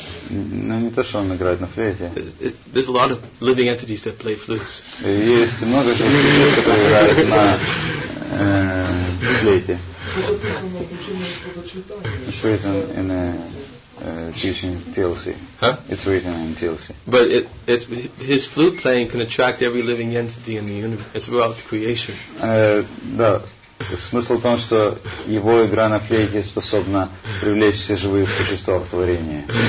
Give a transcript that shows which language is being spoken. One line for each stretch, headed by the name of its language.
English: No,
Russian: не то, что он играет на флейте.
English: There's a lot of living entities that play flutes.
Russian: Есть много живых, которые играют на флейте.
English: It's written in a teaching TLC. Huh? It's written in TLC. But it's his flute playing can attract every living entity in the universe throughout the creation.
Russian: Да. Смысл в том, что его игра на флейте способна привлечь все живые существа в творение.